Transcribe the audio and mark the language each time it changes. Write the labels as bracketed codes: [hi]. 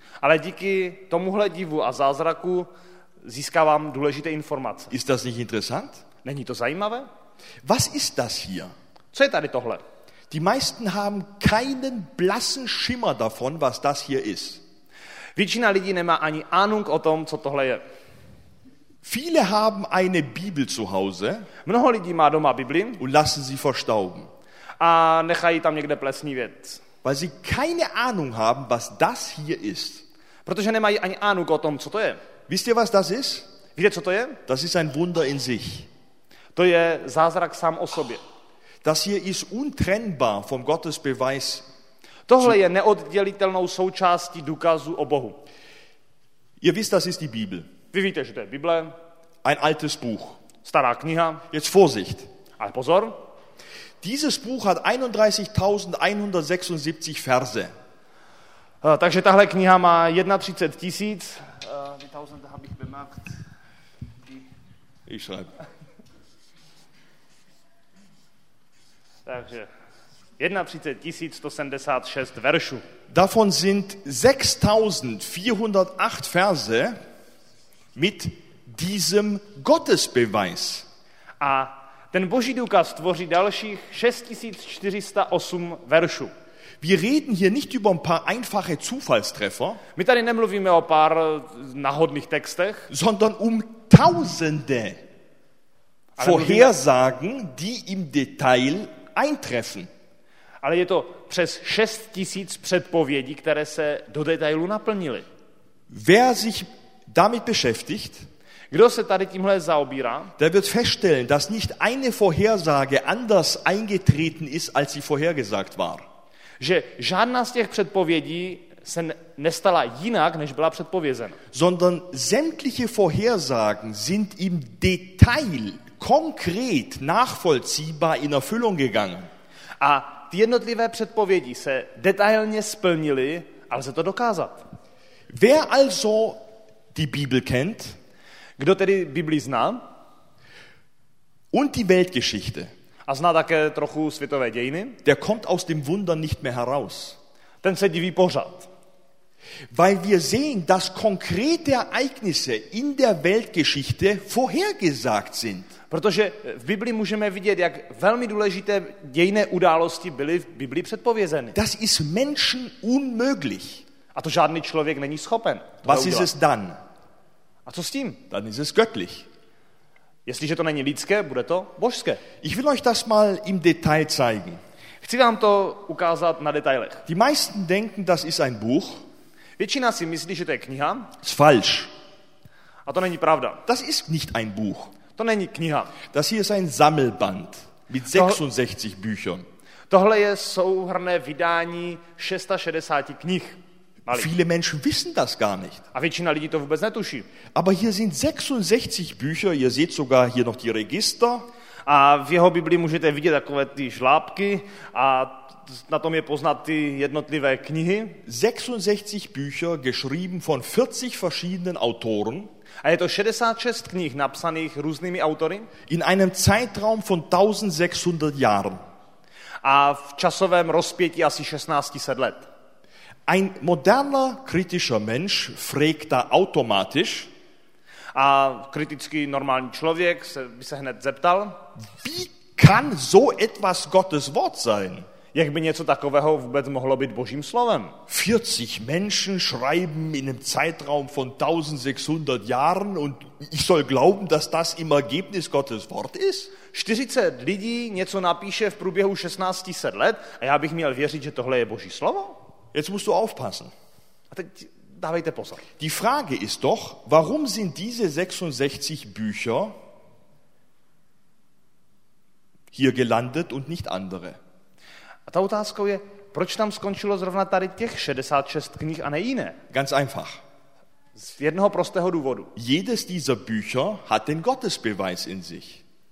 [cs] Ale díky tomuhle divu a zázraku získávám důležité informace. [de] Ist das nicht interessant? [cs] Není to zajímavé? [de] Was ist das hier? [cs] Co je tady tohle? [de] Die meisten haben keinen blassen Schimmer davon, was das hier ist. [cs] Většina lidí nemá ani ahnung o tom, co tohle je. [de] Viele haben eine Bibel zu Hause. [cs] Mnoho lidí má doma Bibli. [de] Und lassen sie verstauben. [cs] A nechají tam někde plesnívět. [de] Weil sie keine Ahnung haben, was das hier ist. [cs] Protože nemají ani ahnung o tom, co to je. [de] Wisst ihr, was das ist? [cs] Víte, co to je? [de] Das ist ein Wunder in sich. [cs] To je zázrak sám o sobě. [de] Das hier ist untrennbar vom Gottesbeweis. [cs] Tohle je neoddělitelnou součástí důkazu o Bohu. [de] Ihr wisst, das ist die Bibel. [cs] Vy víte, že to je Bible. [de] Ein altes Buch. [cs] Stará kniha. [de] Jetzt Vorsicht. [cs] A pozor. [de] Dieses Buch hat 31.176 Verse. [cs] Takže tahle kniha má 31 tisíc. [de] Ich schreibe. [cs] Takže 31.176 veršů. [de] Davon sind 6.408 Verse mit diesem Gottesbeweis. [cs] A ten Boží důkaz tvoří dalších 6408 veršů. [de] Wir reden hier nicht über ein paar einfache Zufallstreffer. [cs] My tady nemluvíme o pár náhodných textech, [de] sondern um tausende Vorhersagen, die im Detail eintreffen. [cs] Ale je to přes 6000 předpovědí, které se do detailu naplnily. [de] Wer sich damit beschäftigt, [cs] kdo se tady tímhle zaobírá, [de] der wird feststellen, dass nicht eine Vorhersage anders eingetreten ist, als sie vorhergesagt war. [cs] Že žádná z těch předpovědí se nestala jinak, než byla předpovězena. [de] Sondern sämtliche Vorhersagen sind im Detail konkret nachvollziehbar in Erfüllung gegangen. [cs] A ty jednotlivé předpovědi se detailně splnily, a lze to dokázat. [de] Wer also die Bibel kennt, [cs] kdo tedy Bibli zná, [de] und die Weltgeschichte, [cs] a zná také trochu světové dějiny, [de] der kommt aus dem Wunder nicht mehr heraus. [cs] Ten se diví pořád. [de] Weil wir sehen, dass konkrete Ereignisse in der Weltgeschichte vorhergesagt sind. [cs] Protože v Biblii můžeme vidět, jak velmi důležité dějinné události byly v Biblii předpovězeny. [de] Das ist Menschen unmöglich. [cs] A to žádný člověk není schopen. [de] Was ist es dann? [cs] A co s tím? [de] Dann ist es göttlich. [cs] Jestliže to není lidské, bude to božské. [de] Ich will euch das mal im Detail zeigen. [cs] Chci vám to ukázat na detailech. [de] Die meisten denken, das ist ein Buch. [cs] Většina si myslí, že to je kniha. [de] Ist falsch. [cs] A to není pravda. [de] Das ist nicht ein Buch. [cs] To není kniha. [de] Das hier ist ein Sammelband mit 66 Büchern. [cs] Tohle je souhrnné vydání 66 knih. Malik. [de] Viele Menschen wissen das gar nicht. [cs] A většina lidí to vůbec netuší. [de] Aber hier sind 66 Bücher, ihr seht sogar hier noch die Register. [cs] A v jeho Biblii můžete vidět takové ty žlábky a na tom je poznat ty jednotlivé knihy. [de] 66 Bücher geschrieben von 40 verschiedenen Autoren. [cs] A je to 66 knih napsaných různými autory. [de] In einem Zeitraum von 1600 Jahren. [cs] A v časovém rozpětí asi 1600 let. [de] Ein moderner kritischer Mensch fragt da automatisch. [cs] A kritický normální člověk by se hned zeptal. [de] Wie kann so etwas Gottes Wort sein? [cs] Jak by něco takového vůbec mohlo být Božím slovem? [de] 40 Menschen schreiben in einem Zeitraum von 1600 Jahren und ich soll glauben, dass das im Ergebnis Gottes Wort ist? [cs] 40 lidí něco napíše v průběhu 1600 let a já bych měl věřit, že tohle je Boží slovo? [de] Jetzt musst du aufpassen. [cs] A teď dávejte pozor. [de] Die Frage ist doch, warum sind diese 66 Bücher hier gelandet und nicht andere? [cs] A ta otázka je, proč tam skončilo zrovna tady těch 66 knih a ne jiné? [de] Ganz einfach. [cs] Z jednoho prostého důvodu. [de] Jedes dieser Bücher hat den Gottesbeweis in sich.